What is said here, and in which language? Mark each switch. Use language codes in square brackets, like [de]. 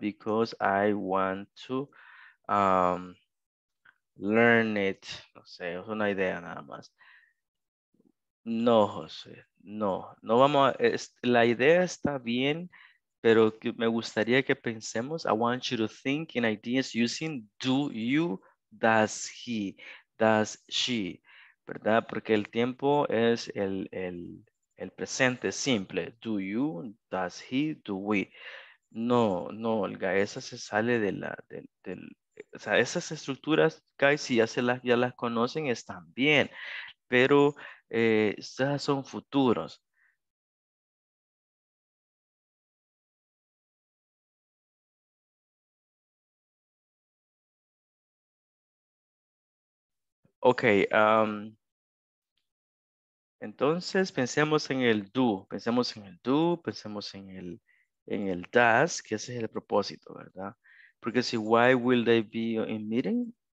[en] Because I want to learn it. [es] No sé, es una idea nada más. No, José, no. No vamos a, la idea está bien, pero me gustaría que pensemos. [en] I want you to think in ideas using do you, does he, does she. [es] ¿Verdad? Porque el tiempo es el presente simple. [en] Do you, does he, do we. [es] No, no, Olga, esa se sale de la... o sea, esas estructuras, guys, si ya, ya las conocen, están bien. Pero esas son futuros. Ok. Entonces, pensemos en el do, pensemos en el do, pensemos en el does, que ese es el propósito, ¿verdad? Porque si, [en] why will they be in meeting?